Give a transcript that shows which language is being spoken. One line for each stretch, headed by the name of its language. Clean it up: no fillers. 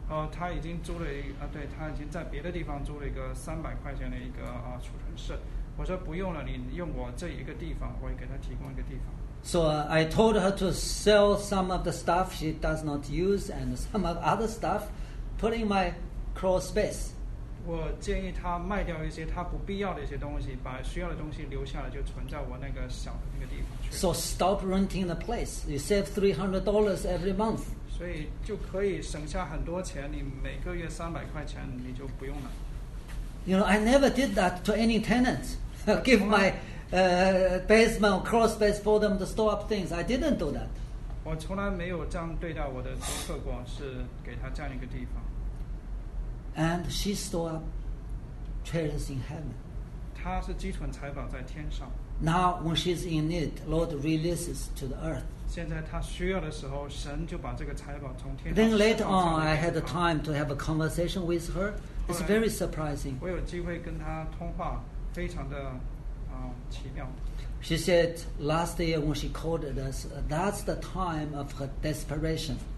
Chinese: 他已经租了对，他已经在别的地方租了一个300块钱的一个储存室。我说不用了，你用我这一个地方，我也给他提供一个地方。
English: So I told her to sell some of the stuff she does not use and some of other stuff, put in my crawl space.
Chinese: 我建议他卖掉一些他不必要的一些东西，把需要的东西留下来，就存在我那个小的那个地方去。
English: So stop renting the place. You save $300 every month.
Chinese: 所以就可以省下很多钱，你每个月300块钱你就不用了。
English: You know, I never did that to any tenant. Give my basement or crawl space for them to store up things. I didn't do that.
Chinese: 我从来没有这样对待我的租客过，是给他这样一个地方。
English: And she stored up treasures in heaven.
Chinese: 她是积存财宝在天上。
English: Now when she's in need, Lord releases to the earth.
Chinese: 现在她需要的时候，神就把这个财宝从天。
English: Then later on, I had the time to have a conversation with her. It's very surprising.
Chinese: 我有机会跟她通话，非常的奇妙。
English: She said last year when she called us, that's the time of her desperation.